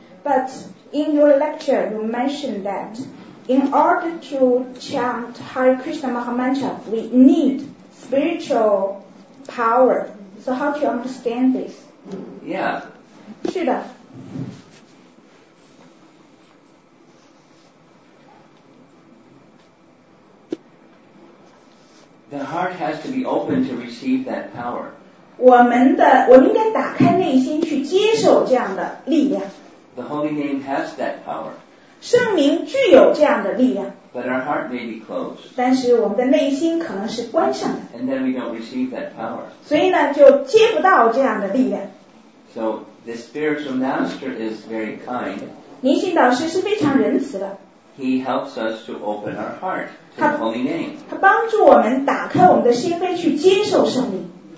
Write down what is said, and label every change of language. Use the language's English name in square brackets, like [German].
[English] But in your lecture you mentioned that in order to chant Hare Krishna Maha Mantra we need spiritual power. So how do you understand this? Yeah. [Chinese] 是的。 [English] The heart has to be open to receive that power. [Chinese] 我们应该打开内心去接受这样的力量。 [English] The holy name has that power. [Chinese] 圣名具有这样的力量。 [English] But our heart may be closed. [Chinese] 但是我们的内心可能是关上的。 [English] And then we don't receive that power. [Chinese] 所以呢，就接不到这样的力量。 [English] So the spiritual master is very kind. [Chinese] 灵性导师是非常仁慈的。 [English] He helps us to open our heart to the holy name. [Chinese] 他帮助我们打开我们的心扉去接受圣名。